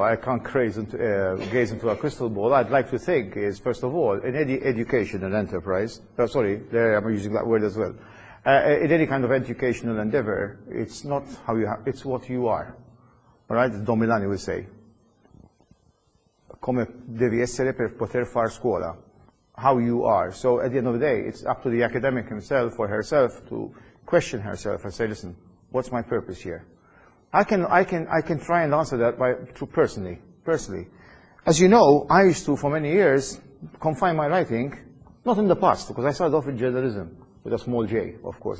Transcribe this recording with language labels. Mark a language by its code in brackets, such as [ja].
[en] I can't gaze into a crystal ball. I'd like to think is, first of all, in any educational enterprise, I'm using that word as well. In any kind of educational endeavor, it's not how you it's what you are. All right? [it] Don Milani [en] will say, [it] come devi essere per poter far scuola, [en] how you are. So at the end of the day, it's up to the academic himself or herself to question herself and say, listen, What's my purpose here? I can try and answer that by to personally. As you know, I used to, for many years, confine my writing, not in the past, because I started off in journalism, with a small j, of course.